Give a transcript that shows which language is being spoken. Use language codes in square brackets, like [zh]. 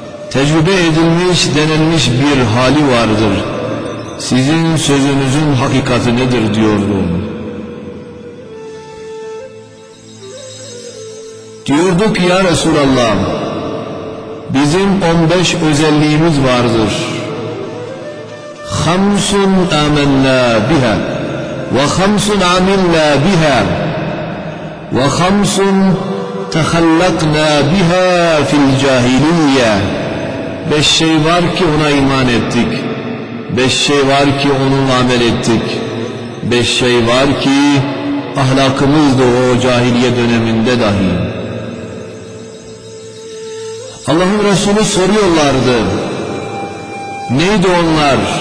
[tr] Tecrübe edilmiş, denenmiş bir hali vardır. Sizin sözünüzün hakikati nedir diyordu. Diyorduk ya Resulallah, bizim 15 özelliğimiz vardır. [ar] خَمْسٌ آمَنَّا بِهَا وَخَمْسٌ عَمِلْنَا بِهَا وَخَمْسٌ تَخَلَّقْنَا بِهَا فِي الْجَاهِلِيَّةِ [tr] Beş şey var ki ona iman ettik. Beş şey var ki onunla amel ettik. Beş şey var ki ahlakımızdı o cahiliye döneminde dahi. Allah'ın Resulü soruyorlardı. Neydi onlar?